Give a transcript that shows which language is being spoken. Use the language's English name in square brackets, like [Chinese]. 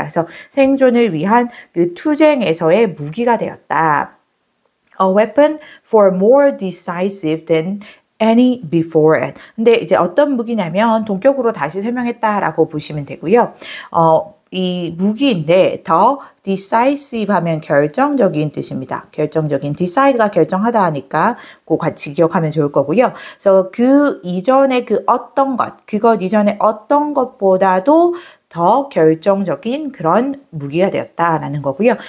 [Korean] 그래서 생존을 위한 그 투쟁에서의 무기가 되었다. [English] A weapon for more decisive than any before it. [Korean] 근데 이제 어떤 무기냐면 동격으로 다시 설명했다라고 보시면 되고요. 이 무기인데 더 decisive 하면 결정적인 뜻입니다. 결정적인 decide가 결정하다 하니까 그거 같이 기억하면 좋을 거고요. 그래서 그 이전에 그 어떤 것, 그것 이전에 어떤 것보다도 더 결정적인 그런 무기가 되었다라는 거고요.